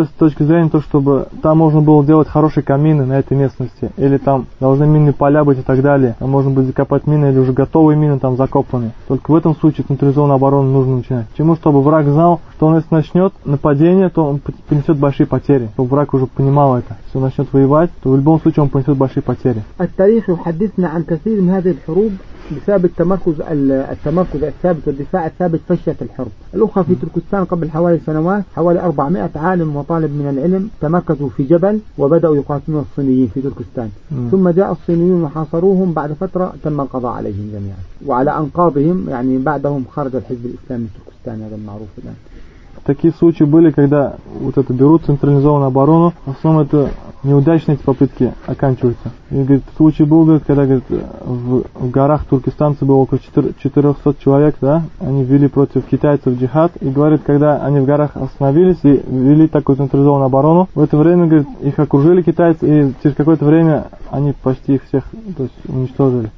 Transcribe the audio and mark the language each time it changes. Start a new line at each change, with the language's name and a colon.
Russian: То есть с точки зрения то, чтобы там можно было делать хорошие камины на этой местности, или там должны минные поля быть и так далее. Там можно будет закопать мины или уже готовые мины там закопаны. Только в этом случае централизованную оборону нужно начинать. Почему? Чтобы враг знал, что он если начнет нападение, то он понесет большие потери. Чтобы враг уже понимал это. Если он начнет воевать, то в любом случае он понесет большие потери.
Arabic: التاريخ يحدثنا عن كثير من هذه الحروب بسبب التمركز الثابت والدفاع الثابت فشلت الحرب. الأخرى في تركستان قبل حوالي سنوات حوالي 400 عالم وطالب من العلم تمركزوا في جبل وبدأوا يقاتلون الصينيين في تركستان. ثم جاء الصينيون وحاصروهم بعد فترة تم القضاء عليهم جميعا. وعلى أنقاضهم يعني بعدهم خرج الحزب الإسلامي التركستاني هذا المعروف الآن.
Russian: Такие случаи были, когда вот это берут централизованную оборону, в основном это неудачные эти попытки оканчиваются. И говорит, случай был, говорит, когда говорит, в горах туркестанцы было около 400 человек, да, они вели против китайцев джихад, и говорит, когда они в горах остановились и вели такую централизованную оборону, в это время, говорит, их окружили китайцы, и через какое-то время они почти их всех, то есть, уничтожили.